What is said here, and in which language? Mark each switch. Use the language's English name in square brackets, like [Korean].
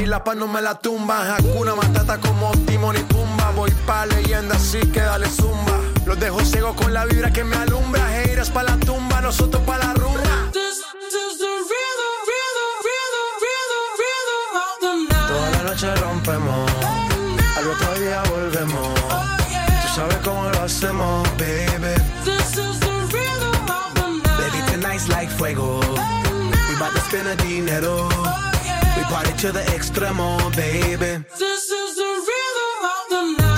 [Spanish] No me la tumba, Hakuna Matata como Timón y Pumba. Voy pa' leyenda, así que dale zumba. Los dejo ciego con la vibra que me alumbra. Haters pa' la tumba, nosotros pa' la rumba. [English] This is the rhythm of the night. [Spanish] Toda la noche rompemos, al otro día volvemos. [English] Oh, yeah. [Spanish] Tú sabes sabes cómo lo hacemos, baby. [English] This is the rhythm of the night. Baby, tonight's like fuego. Tonight. We about to spend the dinero. Oh, yeah. We party to the extremo, baby. This is the rhythm of the night.